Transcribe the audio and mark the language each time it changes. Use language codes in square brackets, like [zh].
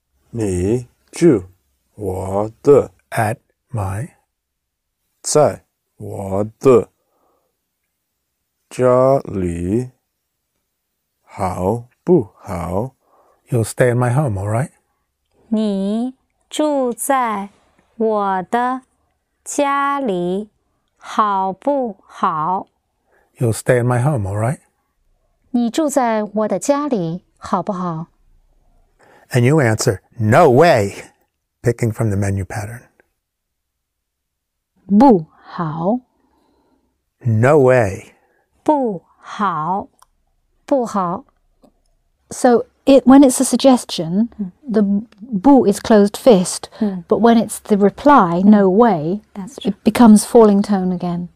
[zh] 你住我的 [en] At my [zh] 在我的家里好不好? [en] You'll stay at my home, all right? [zh] 你住在我的家里好不好? [en] You'll stay in my home, all right? [zh] 你住在我的家里好不好? [en] And you answer, no way, picking from the menu pattern. [zh] 不好 [en] No way. [zh] 不好不好 [en] So it, when it's a suggestion, the 不 is closed fist, but when it's the reply, no way, it becomes falling tone again.